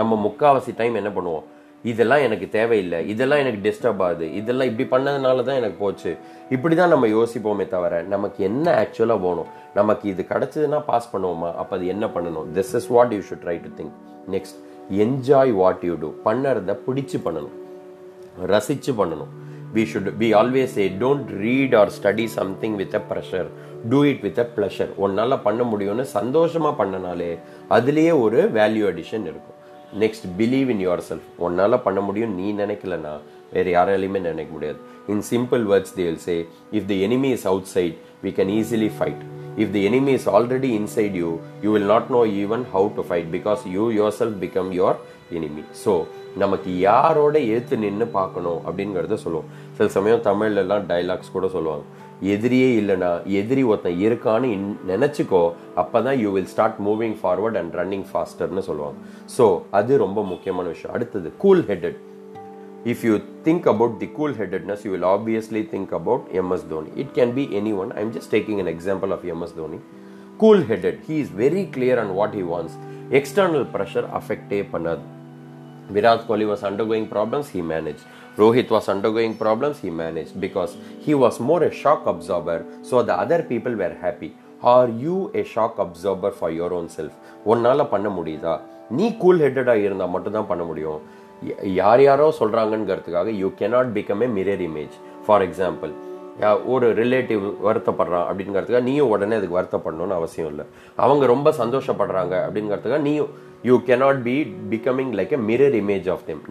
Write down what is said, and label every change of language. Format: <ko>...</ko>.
<ta>நம்ம முக்காவாசி டைம் என்ன பண்ணுவோம், இதெல்லாம் எனக்கு தேவையில்லை, இதெல்லாம் எனக்கு டிஸ்டர்ப் ஆகுது, இதெல்லாம் இப்படி பண்ணதுனால தான் எனக்கு போச்சு, இப்படி தான் நம்ம யோசிப்போமே தவிர நமக்கு என்ன ஆக்சுவலாக வேணும், நமக்கு இது கிடச்சதுன்னா பாஸ் பண்ணுவோமா, அப்போ அது என்ன பண்ணணும்.</ta> <en>This is what you should try to think. Next, enjoy what you do.</en> <ta>பண்ணுறத பிடிச்சி பண்ணணும், ரசித்து பண்ணணும்.</ta> <en>We always say, don't read or study something with a pressure. Do it with a pleasure.</en> <ta>ஒன்னால் பண்ண முடியும்னு சந்தோஷமாக பண்ணனாலே அதுலேயே ஒரு வேல்யூ அடிஷன் இருக்கும்.</ta> <en>Next, believe in yourself.</en> <ta>ஒன்னால் பண்ண முடியும் நீ நினைக்கலனா வேறு யாராலையுமே நினைக்க முடியாது.</ta> <en>In simple words they will say, if the enemy is outside we can easily fight, if the enemy is already inside you, you will not know even how to fight because you yourself become your enemy.</en> <ta>So நமக்கு யாரோட எழுத்து நின்று பார்க்கணும் அப்படிங்கிறத சொல்லுவோம். சில சமயம் தமிழ்லலாம் dialogues கூட சொல்லுவாங்க, எதிரியே இல்லைனா எதிரி ஒருத்தன் இருக்கான்னு நினச்சிக்கோ, அப்போ தான்</ta> <en>you will start moving forward and running ஃபாஸ்டர்னு</en> <ta>சொல்லுவாங்க. ஸோ அது ரொம்ப முக்கியமான விஷயம். அடுத்தது,</ta> <en>Cool headed. If you think about the cool headedness, you will obviously think about MS Dhoni. It can be anyone, I am just taking an example of MS Dhoni. Cool headed, he is very clear on what he wants. External pressure</en> <ta>அஃபெக்டே பண்ணாது.</ta> <en>Virat Kohli was undergoing problems, he manage. Rohit was undergoing problems, he managed, because he was more a shock absorber, so the other people were happy. Are you a shock absorber for your own self?</en> <ta>உன்னால் பண்ண முடியுதா? நீ cool ஹெட்டடாக இருந்தால் மட்டும்தான் பண்ண முடியும். யார் யாரோ சொல்கிறாங்கிறதுக்காக</ta> <en>You cannot become a mirror image.</en> <ta>For example, ஒரு ரிலேட்டிவ் வருத்தப்படுறான் அப்படிங்கிறதுக்காக நீயும் உடனே அதுக்கு வருத்தப்படணும்னு அவசியம் இல்லை. அவங்க ரொம்ப சந்தோஷப்படுறாங்க அப்படிங்கிறதுக்காக நீயும்</ta> <en>You cannot be becoming like a mirror image of them.</en>